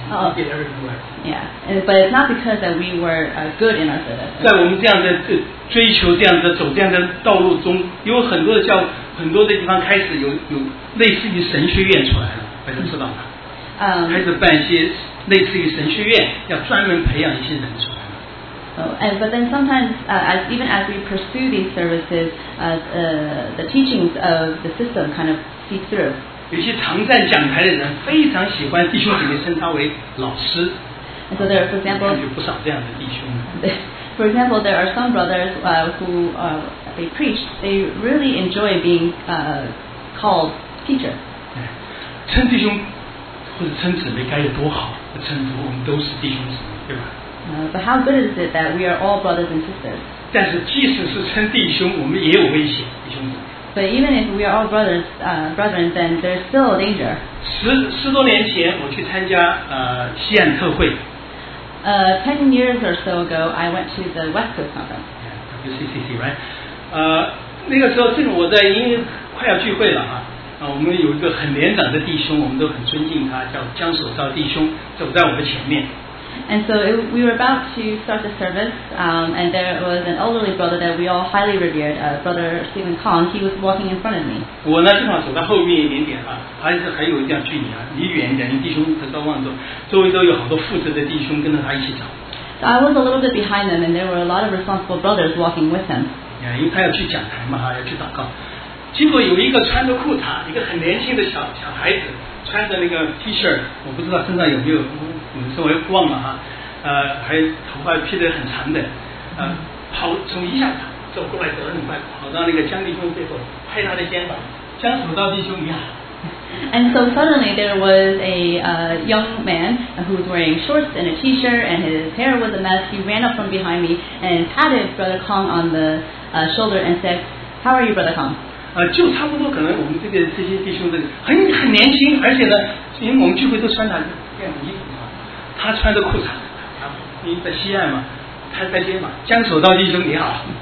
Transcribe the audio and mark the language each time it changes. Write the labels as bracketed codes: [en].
[en] But it's not because that we were good in our service. [zh] 在我们这样的追求、这样的走、这样的道路中，有很多的教、很多的地方开始有类似于神学院出来了，大家知道吗？开始办一些类似于神学院，要专门培养一些人出来。 [en] But then sometimes, even as we pursue these services, the teachings of the system kind of seep through. [zh] 有些常在讲台的人非常喜欢弟兄姊妹称他为老师。 [en] So there, for example, [zh] 有不少这样的弟兄。 [en] For example, there are some brothers who they preach. They really enjoy being called teacher. [zh] 称弟兄或者称姊妹该有多好，称呼我们都是弟兄姊妹，对吧？ [en] But how good is it that we are all brothers and sisters? [zh] 但是即使是称弟兄，我们也有危险，弟兄姊妹。 [en] But even if we are all brothers, brethren, then there's still a danger. [zh] 十多年前，我去参加西岸特会。 [en] 10 years or so ago, I went to the West Coast Conference. Yeah, WCCC, right? [zh] 那个时候，正我在已经快要聚会了哈。我们有一个很年长的弟兄，我们都很尊敬他，叫江守道弟兄，走在我们前面。 [en] And so we were about to start the service, and there was an elderly brother that we all highly revered, Brother Stephen Kong. He was walking in front of me. [zh] 我呢，正好走到后面一点点啊，还是还有一点距离啊，离远一点，弟兄都在望着，周围都有好多负责的弟兄跟着他一起走。 [en] So I was a little bit behind them, and there were a lot of responsible brothers walking with him. [zh] Yeah, 因为他要去讲台嘛，要去祷告。结果有一个穿着裤衩，一个很年轻的小孩子。穿着那个 T 恤，我不知道身上有没有，你说我又忘了哈，还头发披得很长的，跑从一下走过来走很快，跑到那个江弟兄背后，拍他的肩膀，江守道弟兄你好。 [en] And so suddenly there was a young man who was wearing shorts and a t-shirt and his hair was a mess. He ran up from behind me and patted Brother Kong on the shoulder and said, "How are you, Brother Kong?" [zh] 就差不多可能我们这些弟兄的很年轻，而且呢，因为我们聚会都穿他这样的衣服嘛，他穿着裤衩，因为在西岸嘛，他在街嘛，江守道弟兄你好。